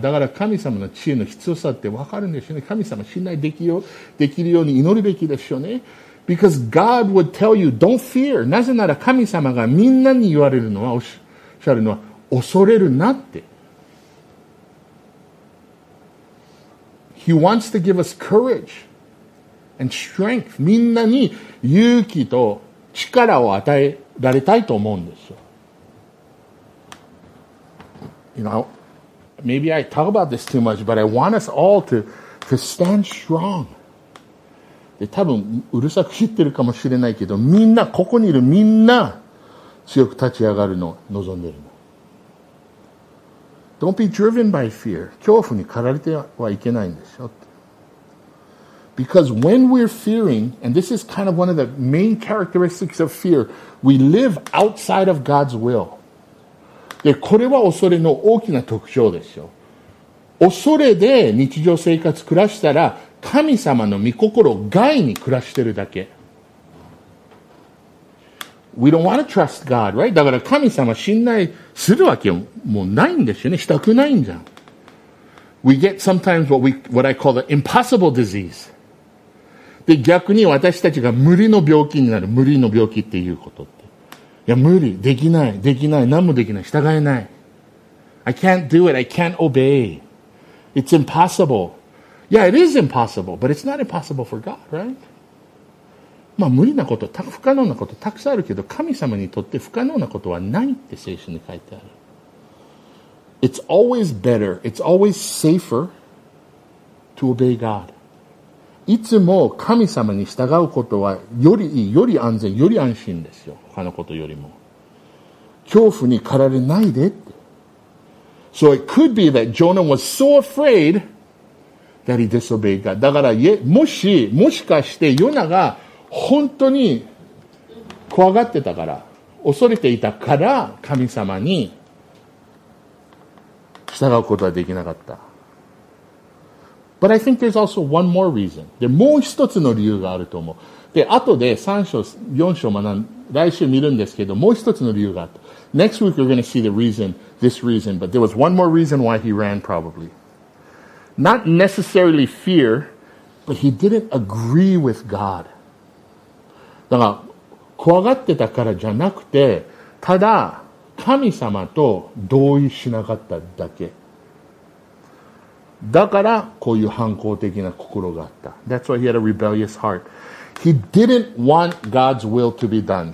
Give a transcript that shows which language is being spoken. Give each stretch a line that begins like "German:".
Japanese: だから神様の知恵の必要さってわかるんですよね。神様信頼できるように祈るべきですよね。
English: Because God would tell you, don't fear.
Japanese: なぜなら神様がみんなに言われるのは、おっしゃるのは、恐れるなって。
English: He wants to give us courage and strength.
Japanese: みんなに勇気と力を与えられたいと思うんですよ。
English: You know, maybe I talk about this too much, but I want us all to stand strong.
Japanese: で、多分うるさく知ってるかもしれないけど、みんな、ここにいるみんな強く立ち上がるのを望んでいるの。
English: Don't be driven by fear.
Japanese: 恐怖に駆られてはいけないんですよ。
English: Because when we're fearing, and this is kind of one of the main characteristics of fear, we live outside of God's will.
Japanese: で、これは恐れの大きな特徴ですよ。恐れで日常生活暮らしたら、神様の御心外に暮らしてるだけ。
English: We don't want to trust God, right?
Japanese: だから神様信頼するわけもないんですよね。したくないんじゃん。
English: We get sometimes what I call the impossible disease.
Japanese: で、逆に私たちが無理の病気になる。無理の病気っていうことって。いや、無理。できない。できない。何もできない。従えない。
English: I can't do it. I can't obey. It's impossible. Yeah, it is impossible, but it's not impossible for God, right?
Japanese: まあ無理なこと、不可能なことたくさんあるけど、神様にとって不可能なことはないって聖書に書いてある。
English: It's always better, it's always safer to obey God.
Japanese: いつも神様に従うことはよりいい、より安全、より安心ですよ。他のことよりも。恐怖に駆られないでって。
English: So it could be that Jonah was so afraidthat he disobeyed God.
Japanese: だから、もしかして、ヨナが本当に怖がってたから、恐れていたから、神様に従うことはできなかった。
English: But I think there's also one more reason.
Japanese: で、もう一つの理由があると思う。で、後で3章、4章学ん、来週見るんですけど、もう一つの理由があった。
English: Next week we're going to see the reason, this reason, but there was one more reason why he ran probably. Not necessarily fear, but he didn't agree with God.
Japanese: だから、怖がってたからじゃなくて、ただ、神様と同意しなかっただけ。だから、こういう反抗的な心があった。
English: That's why he had a rebellious heart. He didn't want God's will to be done.